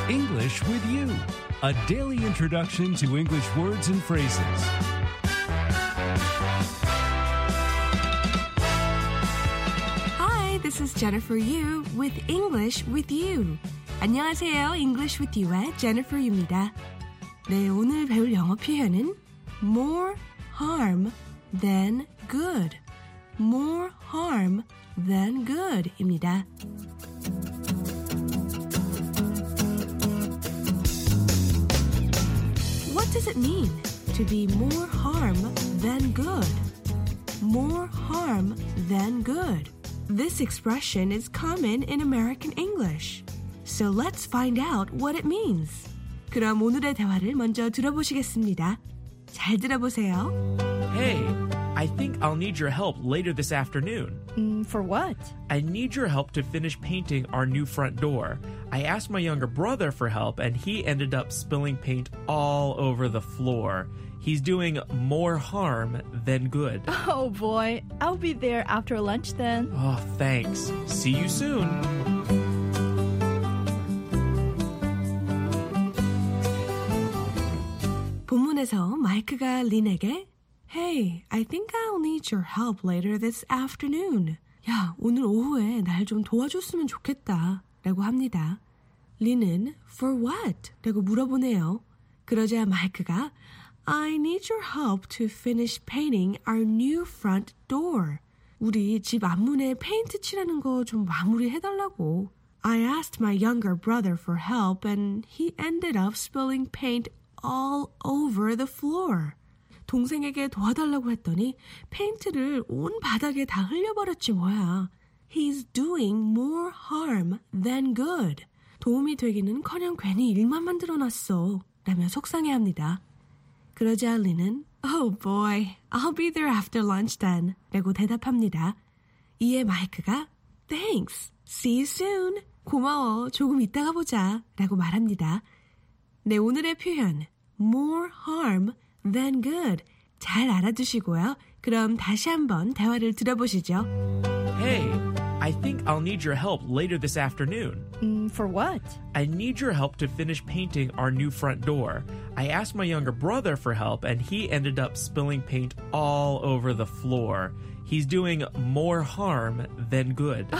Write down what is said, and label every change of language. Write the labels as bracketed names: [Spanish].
[English] English with you A daily introduction to English words and phrases. Hi, this is Jennifer Yu with English with You. [Korean] 안녕하세요, English with You의 Jennifer Yu입니다. 네, 오늘 배울 영어 표현은 [English] more harm than good. More harm than good [Korean] 입니다. [English] 'Mean to be more harm than good. More harm than good. This expression is common in American English. So let's find out what it means. [Korean] 그럼 오늘의 대화를 먼저 들어보시겠습니다. 잘 들어보세요. [English] Hey, I think I'll need your help later this afternoon. For what? I need your help to finish painting our new front door. I asked my younger brother for help, and he ended up spilling paint all over the floor. He's doing more harm than good. Oh, boy. I'll be there after lunch, then. Oh, thanks. See you soon. [Korean] 본문에서 마이크가 린에게 [English] Hey, I think I'll need your help later this afternoon. [Korean] 야, 오늘 오후에 날 좀 도와줬으면 좋겠다 라고 합니다. 린은 [English] for what? [Korean] 라고 물어보네요. 그러자 마이크가 [English] I need your help to finish painting our new front door. [Korean] 우리 집 앞문에 페인트 칠하는 거 좀 마무리해달라고. [English] I asked my younger brother for help and he ended up spilling paint all over the floor. [Korean] 동생에게 도와달라고 했더니 페인트를 온 바닥에 다 흘려버렸지 뭐야. [English] He's doing more harm than good. [Korean] 도움이 되기는커녕 괜히 일만 만들어놨어. 라며 속상해합니다. 그러자 린은 [English] Oh boy, I'll be there after lunch then. [Korean] 라고 대답합니다. 이에 마이크가 [English] Thanks, see you soon. [Korean] 고마워, 조금 이따가 보자. 라고 말합니다. 네, 오늘의 표현 [English] More harm than good. [Korean] 잘 알아두시고요. 그럼 다시 한번 대화를 들어보시죠. [English] Hey, I think I'll need your help later this afternoon. For what? I need your help to finish painting our new front door. I asked my younger brother for help, and he ended up spilling paint all over the floor. He's doing more harm than good.